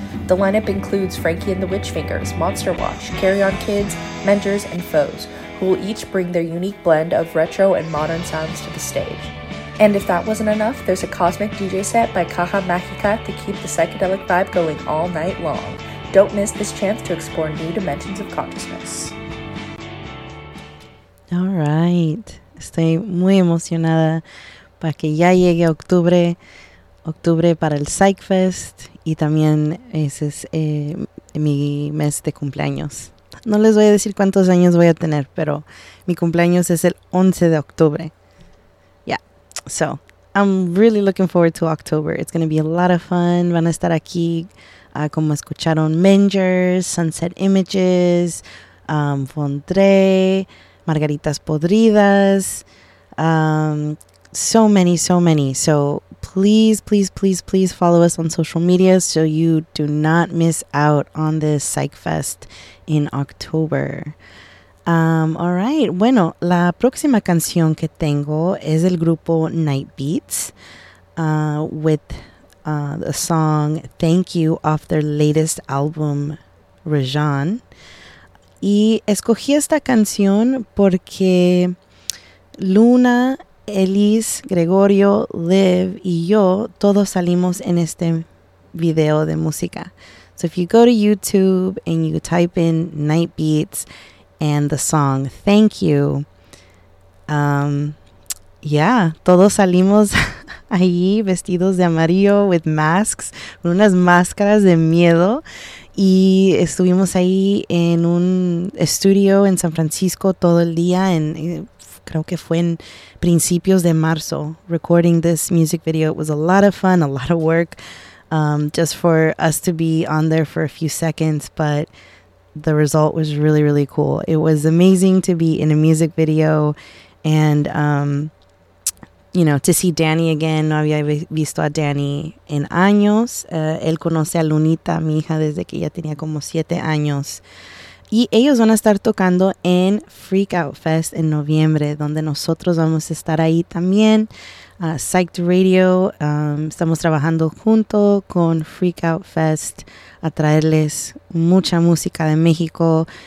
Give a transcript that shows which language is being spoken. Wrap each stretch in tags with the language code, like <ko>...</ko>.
<en>The lineup includes Frankie and the Witchfingers, Monster Watch, Carry On Kids, Menders, and Foes, who will each bring their unique blend of retro and modern sounds to the stage. And if that wasn't enough, there's a cosmic DJ set by Caja Mágica to keep the psychedelic vibe going all night long. Don't miss this chance to explore new dimensions of consciousness. All right.</en> <es>Estoy muy emocionada para que ya llegue octubre. Octubre para el Psych Fest. Y también ese es mi mes de cumpleaños. No les voy a decir cuántos años voy a tener, pero mi cumpleaños es el 11 de octubre.</es> <en>So, I'm really looking forward to October. It's going to be a lot of fun.</en> <es>Van a estar aquí, como escucharon, Mengers, Sunset Images, Fondre, Margaritas Podridas,</es> <en>so many. So, please follow us on social media so you do not miss out on this Psych Fest in October.</en> <es>All right. Bueno, la próxima canción que tengo es el grupo Night Beats</es> <en>with the song Thank You off their latest album,</en> <es>Rajan. Y escogí esta canción porque Luna, Elise, Gregorio, Liv y yo todos salimos en este video de música.</es> <en>So if you go to YouTube and you type in Night Beats, and the song Thank You.</en> <es>Todos salimos ahí vestidos de amarillo</es> <en>with masks,</en> <es>unas máscaras de miedo. Y estuvimos ahí en un estudio en San Francisco todo el día. And creo que fue en principios de marzo,</es> <en>recording this music video. It was a lot of fun, a lot of work, just for us to be on there for a few seconds, but the result was really, really cool. It was amazing to be in a music video and, you know, to see Danny again.</en> <es>No había visto a Danny en años. Él conoce a Lunita, mi hija, desde que ella tenía como 7 años. Y ellos van a estar tocando en Freak Out Fest en noviembre, donde nosotros vamos a estar ahí también. Psyched Radio, estamos trabajando junto con Freak Out Fest a traerles mucha música de México.</es>